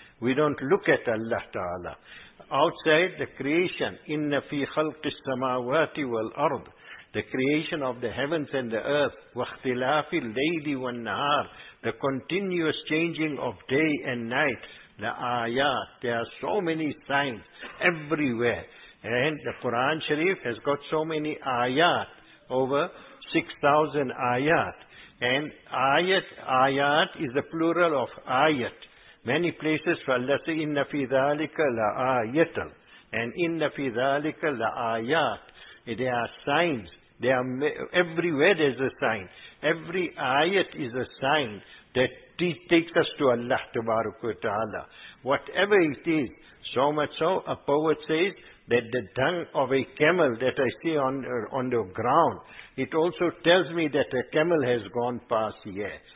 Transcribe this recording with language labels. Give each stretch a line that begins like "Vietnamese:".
English: We don't look at Allah Ta'ala. Outside the creation,
Arabic: إِنَّ فِي خَلْقِ السَّمَاوَاتِ وَالْأَرْضِ,
English: the creation of the heavens and the earth,
Arabic: وَاخْتِلَافِ اللَّيْلِ وَالنَّهَارِ,
English: the continuous changing of day and night, the ayat, there are so many signs everywhere. And the Quran Sharif has got so many ayat, over 6,000 ayat. And ayat is the plural of ayat. Many places,
Arabic: فَاللَّهُ سَيْ إِنَّ فِي ذَلِكَ لَآيَةً, and إِنَّ فِي ذَلِكَ لَآيَةً.
English: There are signs. They are everywhere. There is a sign. Every ayat is a sign that takes us to Allah Tabaraka wa Ta'ala. Whatever it is, so much so, a poet says that the dung of a camel that I see on the ground, it also tells me that a camel has gone past here.